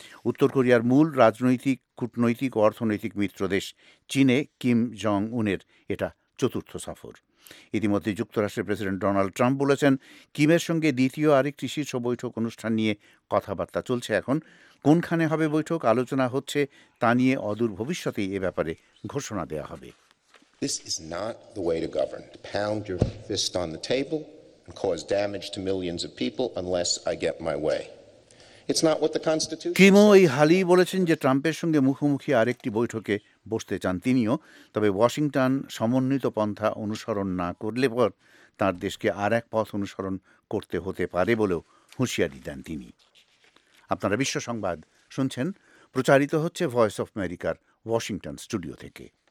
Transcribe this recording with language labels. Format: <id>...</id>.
<bn>উত্তর কোরিয়ার মূল রাজনৈতিক, কূটনৈতিক ও অর্থনৈতিক মিত্রদেশ চীনে কিম জং উনের এটা 4th সফর। ইতিমধ্যে যুক্তরাষ্ট্রের প্রেসিডেন্ট ডোনাল্ড ট্রাম্প বলেছেন, কিমের সঙ্গে দ্বিতীয় আরেকটি শীর্ষ বৈঠক অনুষ্ঠান নিয়ে কথাবার্তা চলছে এখন। কোনখানে হবে বৈঠক, আলোচনা হচ্ছে তা নিয়ে অদূর ভবিষ্যতেই এ ব্যাপারে ঘোষণা দেওয়া হবে।</bn> <en>This is not the way to govern. Pound your fist on the table and cause damage to millions of people unless I get my way. It's not what the constitution.</en> <bn>কিমও এই হালই বলেছেন যে ট্রাম্পের সঙ্গে মুখোমুখি আরেকটি বৈঠকে বসতে চান তিনিও, তবে ওয়াশিংটন সমন্বিত পন্থা অনুসরণ না করলে পর তাঁর দেশকে আর এক পথ অনুসরণ করতে হতে পারে বলেও হুঁশিয়ারি দেন তিনি। আপনারা বিশ্ব সংবাদ শুনছেন, প্রচারিত হচ্ছে ভয়েস অফ আমেরিকার ওয়াশিংটন স্টুডিও থেকে।</bn>